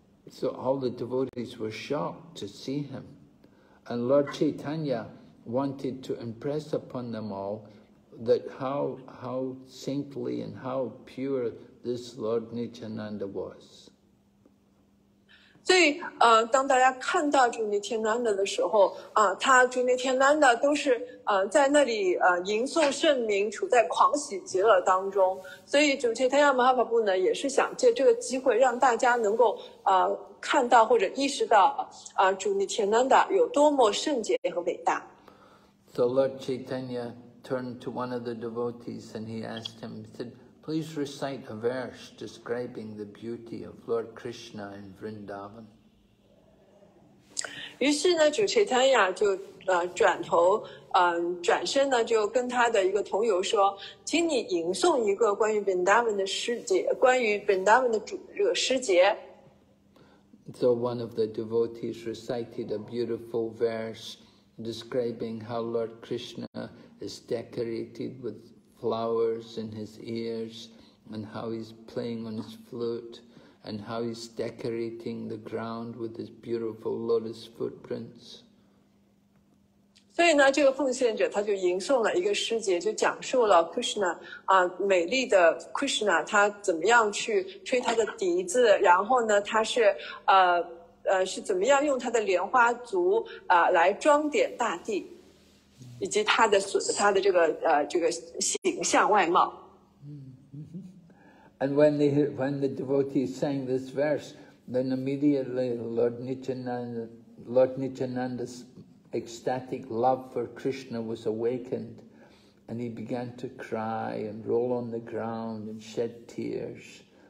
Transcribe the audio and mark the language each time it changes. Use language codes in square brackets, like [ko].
[en] So all the devotees were shocked to see him. And Lord Chaitanya wanted to impress upon them all that how saintly and how pure this Lord Nityananda was. [zh] 所以当大家看到主尼天南达的时候他主尼天南达都是在那里吟诵圣名，处在狂喜极乐当中。所以主持人天马哈巴布呢也是想借这个机会让大家能够看到或者意识到主尼天南达有多么圣洁和伟大。 [en] So Lord Chaitanya turned to one of the devotees and he asked him, he said,Please recite a verse describing the beauty of Lord Krishna in Vrindavan. [zh] 于是呢，主持他呀就转头转身呢就跟他的一个同友说，请你吟诵一个关于 Vrindavan 的诗节，关于 Vrindavan 的主这个诗节。 [en] So one of the devotees recited a beautiful verse describing how Lord Krishna is decorated with. Flowers in his ears, and how he's playing on his flute, and how he's decorating the ground with his beautiful lotus footprints. [zh] 所以呢，这个奉献者他就吟诵了一个诗节，就讲述了 Krishna 啊，美丽的 Krishna 他怎么样去吹他的笛子，然后呢，他是是怎么样用他的莲花足来装点大地，以及他的这个这个形象外貌。 [en] And when the devotees sang this verse, then immediately Lord Nityananda's ecstatic love for Krishna was awakened, and he began to cry and roll on the ground and shed tears.